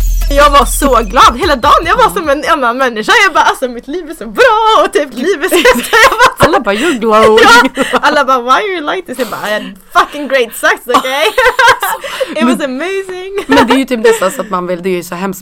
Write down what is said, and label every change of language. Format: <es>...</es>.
<sv>Jag var så så glad hela dagen. Jag var som en annan människa. Jag bara, alltså mitt liv är så bra. Och typ livet är så bara, alla bara,</sv> <en>you're glowing.</en> <sv>Ja, alla bara,</sv> <en>why are you like this?</en> <sv>Jag bara,</sv> <en>I had fucking great sex, okay? It was amazing.</en> <sv>Men det är ju typ dessa så att man vill, det är ju så hemskt.</sv>